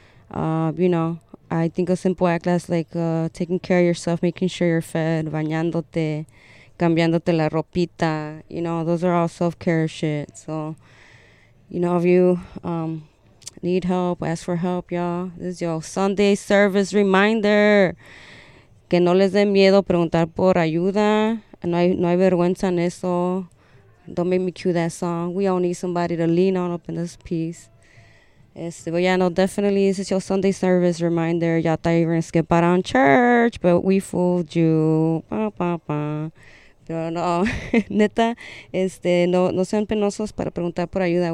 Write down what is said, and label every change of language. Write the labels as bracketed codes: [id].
[en] You know, I think a simple act as like taking care of yourself, making sure you're fed, [es] bañándote, cambiándote la ropita. [en] You know, those are all self-care shit. So, you know, if you need help, ask for help, y'all. This is your Sunday service reminder. [es] Que no les dé miedo preguntar por ayuda. No hay vergüenza en eso. [en] Don't make me cue that song. We all need somebody to lean on up in this piece. But yeah, no, definitely, this is your Sunday service reminder. Y'all thought you were going to skip out on church, but we fooled you. Bah, bah, bah. [es] Pero no, neta, no sean penosos para preguntar por ayuda.